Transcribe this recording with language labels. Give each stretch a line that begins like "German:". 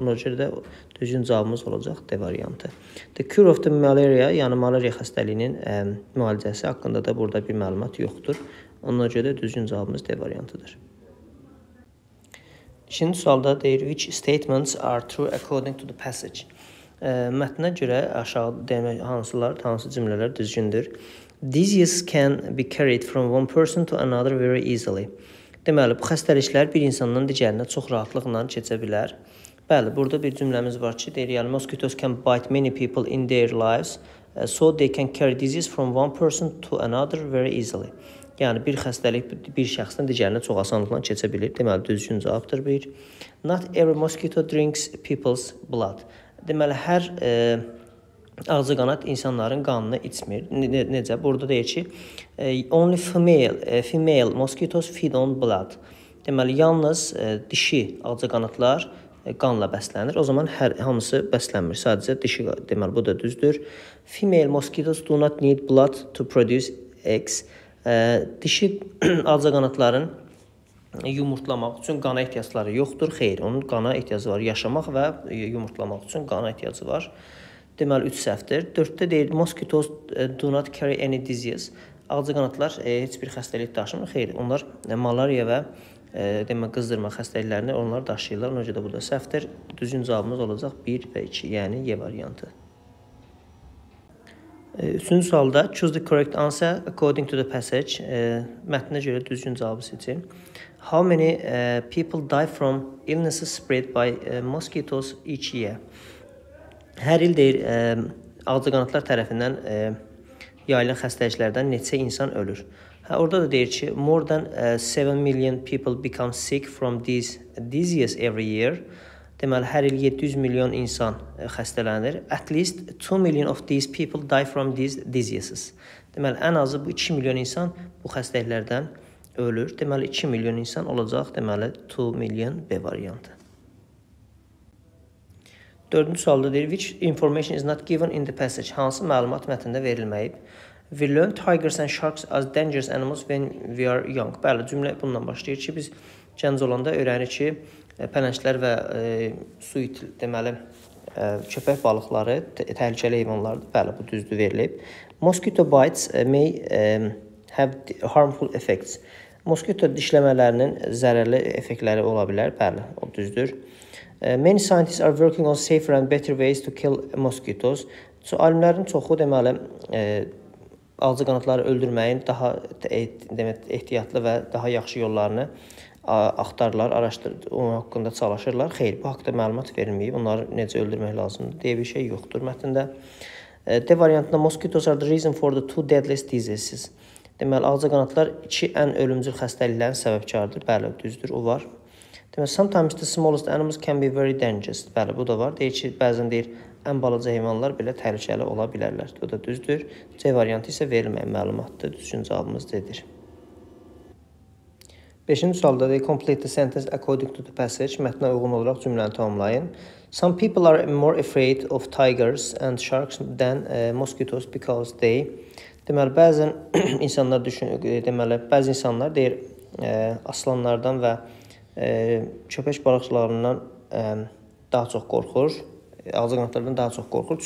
Azerbaijani: Ona görə də düzgün cavabımız olacaq D variantı.
English: The cure of the malaria,
Azerbaijani: yəni malaria xəstəliyinin müalicəsi haqqında da burada bir məlumat yoxdur. Ona görə də düzgün cavabımız D variantıdır. Şimdi sualda deyir,
English: which statements are true according to the passage?
Azerbaijani: Mətnə görə aşağı demək hansılar, hansı cümlələr düzgündür.
English: Diseases can be carried from one person to another very easily.
Azerbaijani: Deməli, bu xəstəliklər bir insandan digərinə çox rahatlıqla keçə bilər. Bəli, burada bir cümləmiz var ki, deyir, yəni,
English: mosquitoes can bite many people in their lives, so they can carry disease from one person to another very easily.
Azerbaijani: Yəni, bir xəstəlik bir şəxsdən digərinə çox asanlıqla keçə bilir. Deməli, düzgün cavabdır bir.
English: Not every mosquito drinks people's blood.
Azerbaijani: Deməli, hər ağcaqanad insanların qanını içmir. Necə? Burada deyir ki,
English: only female mosquitoes feed on blood.
Azerbaijani: Deməli, yalnız dişi ağcaqanadlar qanla bəslənir. O zaman hamısı bəslənmir. Sadəcə dişi, deməli, bu da düzdür.
English: Female mosquitoes do not need blood to produce eggs.
Azerbaijani: Dişi ağcaqanadların yumurtlamaq üçün qana ehtiyacları yoxdur. Xeyr, onun qana ehtiyacı var. Yaşamaq və yumurtlamaq üçün qana ehtiyacı var. Deməli, 3 səhvdir. 4-də deyir,
English: mosquitoes do not carry any disease.
Azerbaijani: Ağcaqanadlar heç bir xəstəlik daşımır. Xeyr, onlar malaria və deməli, qızdırma xəstəliklərini onlar daşıyırlar. Ona görə də burada səhvdir. Düzgün cavabımız olacaq 1 və 2, yəni Y variantı. Üçüncü sualda,
English: choose the correct answer according to the passage.
Azerbaijani: Mətninə görə düzgün cavabı seçin.
English: How many people die from illnesses spread by mosquitoes each year?
Azerbaijani: Hər il deyir, ağcaqanadlar tərəfindən yayılan xəstəliklərdən neçə insan ölür. Hə, orada da deyir ki,
English: more than 7 million people become sick from these diseases every year.
Azerbaijani: Deməli, hər il 700 milyon insan xəstələnir.
English: At least 2 million of these people die from these diseases.
Azerbaijani: Deməli, ən azı bu 2 milyon insan bu xəstəliklərdən ölür. Deməli, 2 milyon insan olacaq. Deməli, 2 million B variantı. Dördüncü sualda deyir,
English: which information is not given in the passage?
Azerbaijani: Hansı məlumat mətnində verilməyib?
English: We learn tigers and sharks as dangerous animals when we are young.
Azerbaijani: Bəli, cümlə bundan başlayır ki, biz gənc olanda öyrənirik ki, pələnglər və su iti, deməli, köpək balıqları təhlükəli heyvanlardır. Bəli, bu düzdür verilib.
English: Mosquito bites may have harmful effects.
Azerbaijani: Mosquito dişləmələrinin zərərli effektləri ola bilər. Bəli, o düzdür.
English: Many scientists are working on safer and better ways to kill mosquitoes.
Azerbaijani: Alimlərin çoxu, deməli, ağcaqanadları öldürməyin daha ehtiyatlı və daha yaxşı yollarını axtarırlar, araşdırırlar, onun haqqında çalışırlar. Xeyr, bu haqda məlumat verilməyib, onları necə öldürmək lazımdır deyə bir şey yoxdur mətnində. D variantında
English: mosquitoes are the reason for the two deadliest diseases.
Azerbaijani: Deməli, ağcaqanadlar iki ən ölümcül xəstəliklərin səbəbkarıdır. Bəli, düzdür, o var. Deməli,
English: sometimes the smallest animals can be very dangerous.
Azerbaijani: Bəli, bu da var. Deyir ki, bəzən deyir, ən balaca heyvanlar belə təhlükəli ola bilərlər. Bu da düzdür. C variantı isə verilməyən məlumatdır. Düzgün cavabımız D-dir. Beşinci sualda da
English: complete the sentence according to the passage.
Azerbaijani: Mətnə uyğun olaraq cümləni tamamlayın.
English: Some people are more afraid of tigers and sharks than mosquitoes because they...
Azerbaijani: Deməli, bəzi insanlar düşünür, deməli, bəzi insanlar deyir, aslanlardan və köpək balıqçılarından daha çox qorxur, alcaqanadlardan daha çox qorxur.